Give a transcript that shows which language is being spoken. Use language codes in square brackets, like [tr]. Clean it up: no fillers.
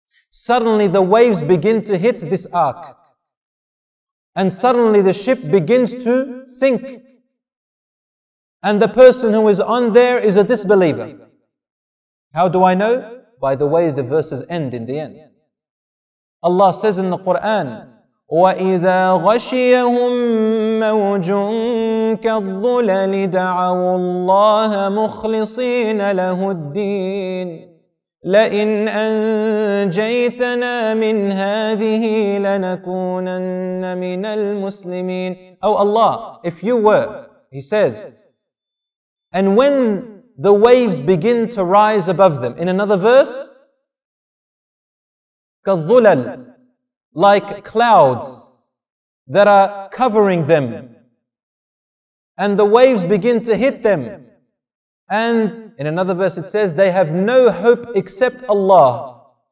[en] Suddenly the waves begin to hit this ark, and suddenly the ship begins to sink. And the person who is on there is a disbeliever. How do I know? By the way the verses end in the end. Allah says in the Quran, [ar] وَإِذَا غَشِيَهُم مَوْجٌ كَالظُّلَلِ دَعَوُوا اللَّهَ مُخْلِصِينَ لَهُ الدِّينَ لَئِنْ أَنْجَيْتَنَا مِنْ هَذِهِ لَنَكُونَنَّ مِنَ الْمُسْلِمِينَ. [en] Oh Allah, if you were, He says, and when the waves begin to rise above them, in another verse, كَالظُّلَلِ, like clouds that are covering them, and the waves begin to hit them, and in another verse it says, they have no hope except Allah,